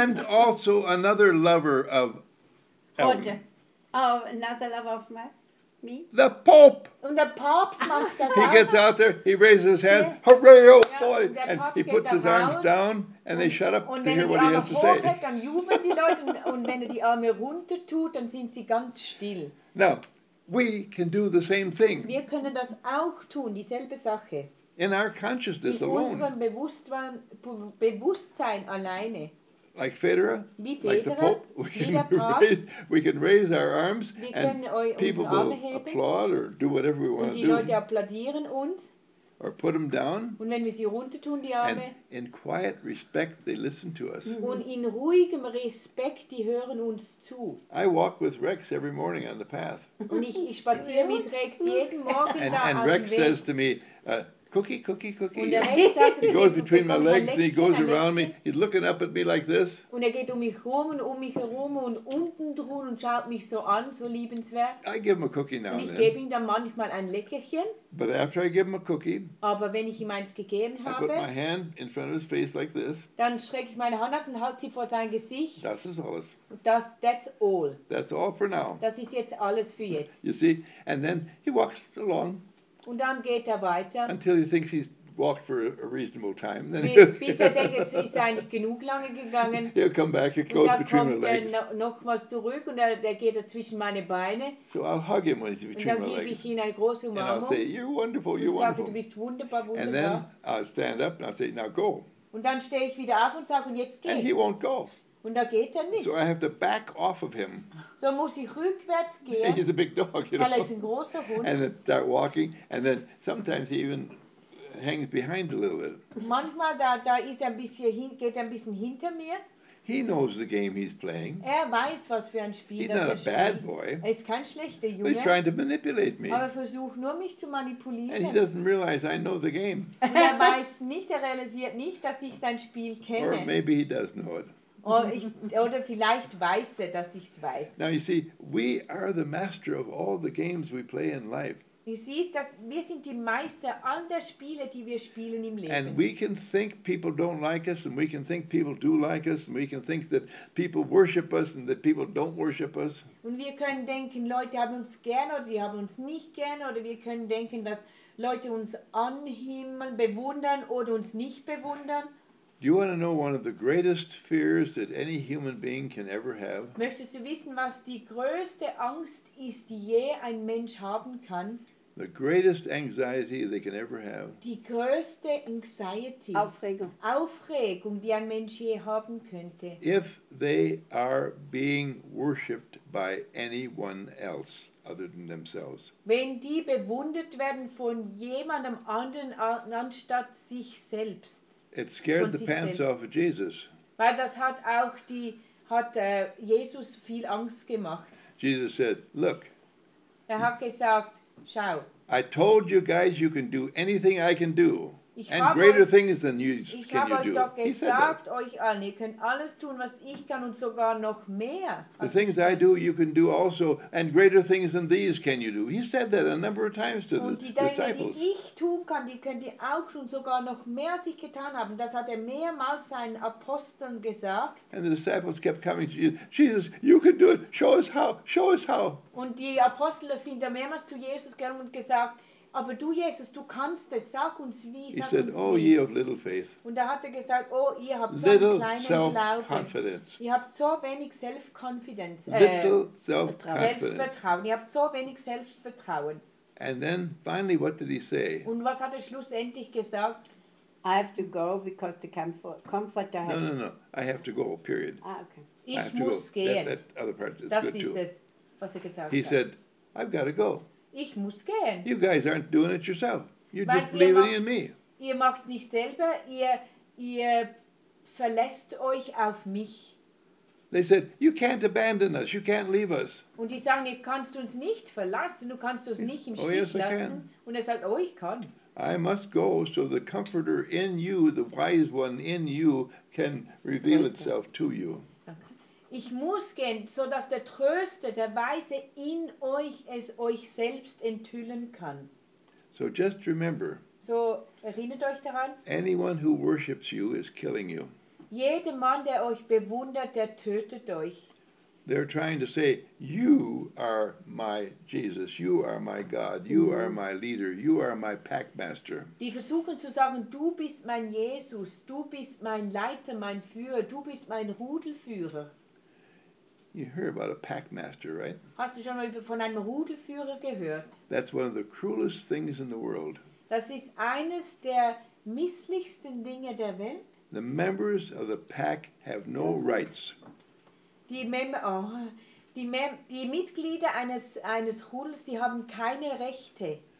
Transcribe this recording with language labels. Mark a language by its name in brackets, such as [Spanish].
[English] And also another lover of Roger. Elton. Oh, another lover of me? The Pope! And the Pope's [German] macht das [English] He gets out there, he raises his hand, hooray, oh boy! And he puts his arms down and they shut up to hear what he has to say. [German] Und wenn er die Arme hochhält, dann jubeln die Leute und wenn er die Arme runter tut, dann sind sie ganz still. [English] Now, we can do the same thing. [German] Wir können das auch tun, dieselbe Sache. [English] In our consciousness alone. [German] In unserem Bewusstsein alleine. [English] Like Federer, [German] wie Federer, [English] like the Pope, we can raise our arms and people will applaud or do whatever we want to do. [German] Und die Leute applaudieren uns. [English] Or put them down. [German] Und wenn wir sie runter tun, die Arme. [English] And in quiet respect, they listen to us. [German] Und in ruhigem Respekt, die hören uns zu. [English] I walk with Rex every morning on the path. [German] Und ich spaziere mit Rex jeden Morgen [English] and, [German] da [English] and [German] auf [English] Rex [German] den Weg. [English] Says to me, cookie, cookie, cookie. [German] Und der Rex sagt, [English] he goes between my legs and he goes around me. He's looking up at me like this. [German] Und er geht um mich herum und unten drun und schaut mich so an, so liebenswert. [English] I give him a cookie now [German] und [English] then. [German] Ich gebe ihm dann manchmal ein Leckerchen. [English] But after I give him a cookie, [German] aber wenn ich ihm eins gegeben habe, [English] I put my hand in front of his face like this. [German] Dann strecke ich meine Hand aus und halte sie vor sein Gesicht. Das ist alles. [English] That's all. That's all for now. [German] Das ist jetzt alles für jetzt. [English] You see? And then he walks along. [German] Und dann geht er weiter. [English] Until he thinks he's walked for a reasonable time. Then [German] bis er denkt, es ist eigentlich genug lange gegangen. [English] He'll come back, he'll go between my legs. [German] Und dann kommt er nochmals zurück und der geht er zwischen meine Beine. [English] So I'll hug him when he's between my legs. [German] Und dann gebe ich ihm eine große Umarmung. [English] And I'll say, you're wonderful, you're wonderful. [German] Und sage, du bist wunderbar, wunderbar. [English] And then I'll stand up and I'll say, now go. [German] Und dann stehe ich wieder auf und sage, und jetzt geh. [English] And he won't go. [German] Und da geht er nicht. [English] So I have to back off of him. [German] So muss ich rückwärts gehen. [English] He's a big dog, you know. [German] Weil er ist ein großer Hund. [English] And then start walking. And then sometimes he even hangs behind a little bit. [German] Manchmal da ist er ein bisschen hin, geht er ein bisschen hinter mir. [English] He knows the game he's playing. [German] Er weiß, was für ein Spiel [English] he's [German] das er spielt. [English] Bad boy. [German] Er ist kein schlechter Junge. [English] But he's trying to manipulate me. [German] Aber versucht nur, mich zu manipulieren. [English] And he doesn't realize I know the game. [German] Er weiß nicht, er realisiert nicht, dass ich sein Spiel kenne. [English] Or maybe he does know it. [German] Oder vielleicht weiß er, dass ich es weiß. [English] Now you see, we are the master of all the games we play in life. [German] Du siehst, dass wir sind die Meister all der Spiele, die wir spielen im Leben. [English] And we can think people don't like us, and we can think people do like us, and we can think that people worship us and that people don't worship us. [German] Und wir können denken, Leute haben uns gern oder sie haben uns nicht gern, oder wir können denken, dass Leute uns anhimmeln, bewundern oder uns nicht bewundern. [English] Do you want to know one of the greatest fears that any human being can ever have? [German] Möchtest du wissen, was die größte Angst ist, die je ein Mensch haben kann? [English] The greatest anxiety they can ever have. [German] Die größte Anxiety. Aufregung. Aufregung, die ein Mensch je haben könnte. [English] If they are being worshipped by anyone else other than themselves. [German] Wenn die bewundert werden von jemandem anderen anstatt sich selbst. [English] It scared the pants off of Jesus. [German] Weil das hat auch Jesus viel Angst gemacht. [English] Jesus said, look. [German] Er hat gesagt, schau. [English] I told you guys you can do anything I can do. And greater things than you can you do. [German] Ich habe euch doch gesagt, euch allen, ihr könnt alles tun, was ich kann und sogar noch mehr. [English] The things I do, you can do also, and greater things than these can you do. He said that a number of times to the disciples. [German] Und die Dinge, die ich tun kann, die könnt ihr auch tun, sogar noch mehr als ich getan habe. Das hat er mehrmals seinen Aposteln gesagt. [English] And the disciples kept coming to Jesus. Jesus, you can do it. Show us how. Show us how. [German] Und die Apostel sind da mehrmals zu Jesus gekommen und gesagt, aber du, Jesus, du kannst es. Sag uns wie. Sag [English] he said, [German] uns [English] oh, [German] wie. [English] Ye of little faith. [German] Und da hat er gesagt, oh, ihr habt so [English] little [German] einen kleinen Glauben. Ihr habt so wenig Selbstvertrauen. Ihr habt so wenig Selbstvertrauen. [English] And then, finally, what did he say? [German] Und was hat er schlussendlich gesagt? [English] I have to go because the comforter has... No, I have to go, period. Ah, okay. [German] Ich muss gehen. [English] That other part is [German] das [English] good, [German] ist [English] too. [German] Es, was er gesagt [English] he [German] hat. [English] He said, I've got to go. [German] Ich muss gehen. [English] You guys aren't doing it yourself. You're just believing in me. [German] Ihr macht's nicht selber. Ihr verlässt euch auf mich. [English] They said, you can't abandon us. You can't leave us. [German] Und die sagen, ihr kannst uns nicht verlassen. Du kannst uns nicht im Stich lassen. [English] Oh, yes, I can. [German] Und er sagt, oh, ich kann. [English] I must go so the comforter in you, the wise one in you, can reveal itself to you. [German] Ich muss gehen, so dass der Tröster, der Weise in euch es euch selbst enthüllen kann. [English] So just remember. [German] So erinnert euch daran. [English] Anyone who worships you is killing you. [German] Jeder Mann, der euch bewundert, der tötet euch. [English] They're trying to say, you are my Jesus, you are my God, you are my leader, you are my packmaster. [German] Die versuchen zu sagen, du bist mein Jesus, du bist mein Leiter, mein Führer, du bist mein Rudelführer. [English] You hear about a packmaster, right? [German] Hast du schon mal von einem Rudelführer gehört? [English] That's one of the cruelest things in the world. [German] Das ist eines der misslichsten Dinge der Welt. [English] The members of the pack have no rights. [German] Die Mitglieder eines Rudels, die haben keine Rechte.